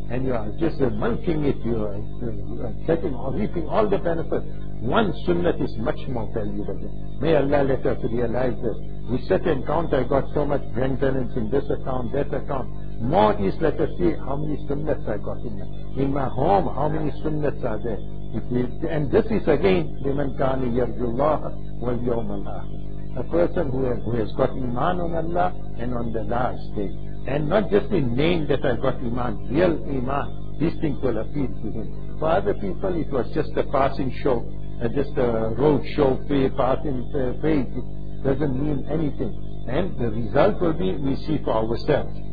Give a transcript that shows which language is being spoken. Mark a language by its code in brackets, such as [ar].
[en] And you are just milking it, reaping all the benefits. One sunnah is much more valuable. May Allah let us realize this. We set and count, I got so much bank balance in this account, that account. More is, let us see how many sunnahs I got in my home, how many sunnahs are there. And this is again, [ar] لِمَنْ كَانِ يَرْجُ اللَّهَ وَالْيَوْمَ الْآخِرِ. [en] A person who has got iman on Allah and on the last day. And not just in name that I got iman, real iman, these things will appeal to him. For other people, it was just a passing show, just a road show, passing phase. It doesn't mean anything. And the result will be, we see for ourselves.